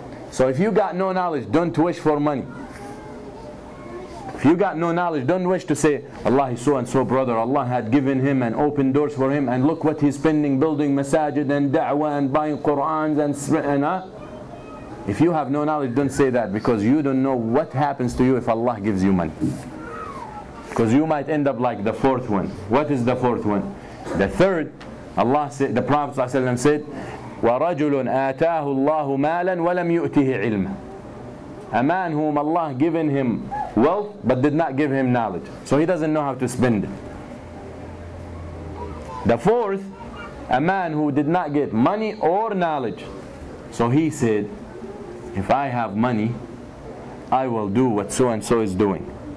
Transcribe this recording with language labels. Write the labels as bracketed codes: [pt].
[en] So if you got no knowledge, don't wish for money. If you got no knowledge, don't wish to say, Allah is so and so brother, Allah had given him and opened doors for him, and look what he's spending, building masajid and da'wah and buying Qur'ans and sri'ana. If you have no knowledge, don't say that, because you don't know what happens to you if Allah gives you money. Because you might end up like the fourth one. What is the fourth one? The third, Allah said, the Prophet ﷺ said, [ar] وَرَجُلٌ آتَاهُ اللَّهُ مَالًا وَلَمْ يُؤْتِهِ عِلْمًا. [en] A man whom Allah given him wealth, but did not give him knowledge. So he doesn't know how to spend it. The fourth, a man who did not get money or knowledge. So he said, if I have money, I will do what so and so is doing.